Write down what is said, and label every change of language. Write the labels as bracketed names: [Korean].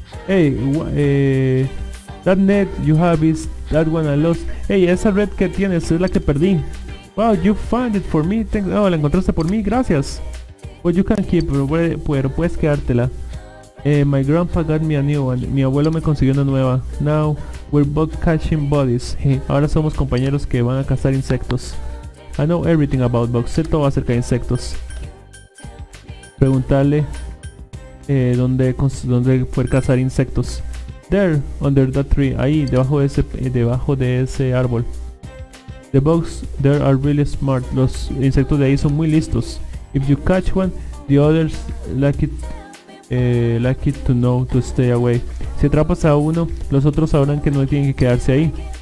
[English] Hey, that net you have is that one I lost. [Spanish] Hey, esa red que tienes es la que perdí. [English] Wow, you found it for me. Thanks. [Spanish] Oh, la encontraste por mí, gracias. [English] Well, you can keep, [Spanish] pero puedes quedártela. [English] My grandpa got me a new one. [Spanish] Mi abuelo me consiguió una nueva. [English] Now, we're both catching bodies. [Spanish] Ahora somos compañeros que van a cazar insectos. [English] I know everything about bugs. [Spanish] Sé todo acerca de insectos. Preguntarle dónde fue cazar insectos. [English] There, under that tree. [Spanish] Ahí, debajo de ese árbol. [English] The bugs there are really smart. [Spanish] Los insectos de ahí son muy listos. [English] If you catch one, the others like it to know to stay away. [Spanish] Si atrapas a uno, los otros sabrán que no tienen que quedarse ahí.